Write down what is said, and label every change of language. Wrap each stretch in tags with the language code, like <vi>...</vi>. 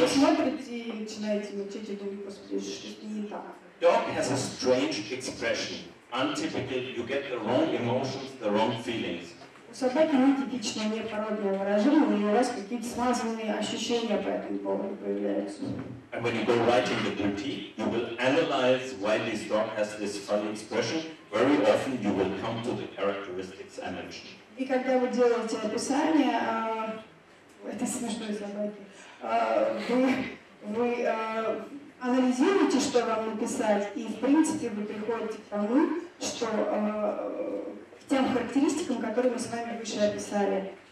<ru>вы смотрите и начинаете мучить и думать, господи, что это не так.</ru> <en>Dog has a strange expression, untypical, you get the wrong emotions, the wrong feelings.</en> <ru>Собаки не типичное, не породное выражение, но у вас какие-то смазанные ощущения по этому поводу появляются.</ru> <en>And when you go right into duty, you will analyze why this dog has this funny expression. Very often you will come to the characteristics I mentioned.</en> <ru>И когда вы делаете описание, это смешные собаки, вы анализируете, что вам написать, и в принципе вы приходите к тому, что тем характеристикам, которые мы с вами выше описали.</ru>